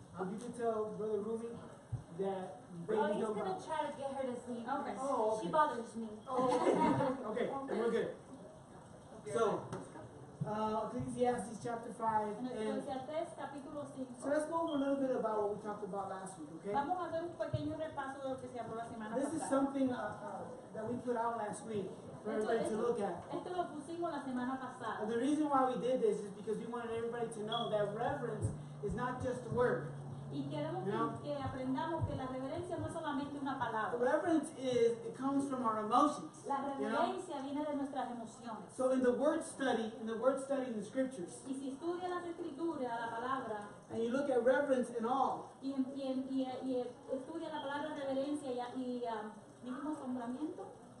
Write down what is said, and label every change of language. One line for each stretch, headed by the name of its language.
English: You can tell Brother Rumi that babies don't bother. Oh, he's gonna try to get her to sleep. Okay. Oh, okay. She bothers me. Oh, okay. Okay, we're good. So, Ecclesiastes chapter 5.
Spanish: Ecclesiastes capítulo 5.
English: So let's go over a little bit about what we talked about last week, okay?
Spanish: Vamos a hacer un pequeño repaso de lo que se habló la semana.
English: This is something that we put out last week. For everybody to look at.
Spanish: Esto lo pusimos la semana pasada.
English: And the reason why we did this is because we wanted everybody to know that reverence is not just a word.
Spanish: Y queremos que aprendamos que la reverencia no es solamente una palabra.
English: Reverence is, it comes from our emotions.
Spanish: La reverencia viene de nuestras emociones.
English: So in the word study in the scriptures.
Spanish: Y si estudia las escrituras, la palabra.
English: And you look at reverence in all.
Spanish: Y estudia la palabra reverencia y mismo asombramiento.